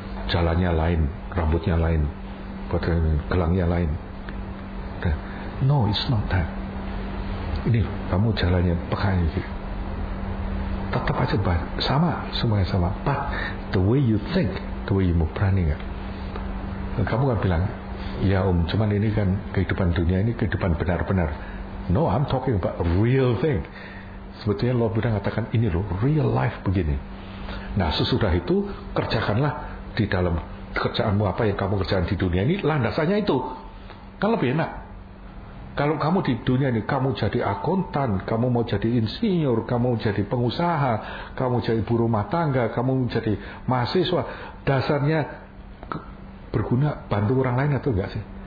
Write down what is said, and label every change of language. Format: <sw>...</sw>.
<id>Jalannya lain, rambutnya lain, gelangnya lain.</id> <en>No, it's not that.</en> <id>Ini kamu jalannya peka gitu. Tetap aja sama, semuanya sama.</id> <en>But the way you think, the way you move,</en> <id>berani gak? Kamu kan bilang, ya om, cuman ini kan kehidupan dunia ini kehidupan benar-benar.</id> <en>No, I'm talking about real thing.</en> <id>Sebetulnya Lord Buddha mengatakan ini loh,</id> <en>real life</en> <id>begini. Nah, sesudah itu, kerjakanlah di dalam kerjaanmu apa yang kamu kerjakan di dunia ini, landasannya itu. Kan lebih enak. Kalau kamu di dunia ini, kamu jadi akuntan, kamu mau jadi insinyur, kamu jadi pengusaha, kamu jadi ibu rumah tangga, kamu jadi mahasiswa, dasarnya berguna bantu orang lain atau enggak sih?</id>